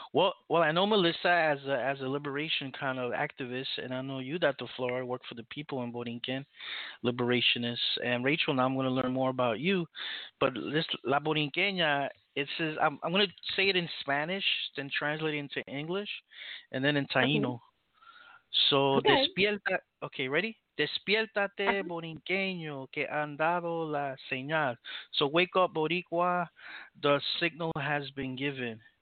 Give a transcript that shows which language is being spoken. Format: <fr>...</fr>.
<en>Well, I know Melissa as a liberation kind of activist, and I know you, Dr. Flora, work for the people in Borinquen, liberationists. And Rachel, now I'm going to learn more about you. But this La Borinqueña, it says, I'm going to say it in Spanish, then translate it into English, and then in Taíno. So,</en> <es>despierta,</es> <en>okay, ready?</en> <es>Despiértate, Borinqueño, que han dado la señal.</es> <en>So, wake up, Boricua, the signal has been given.</en>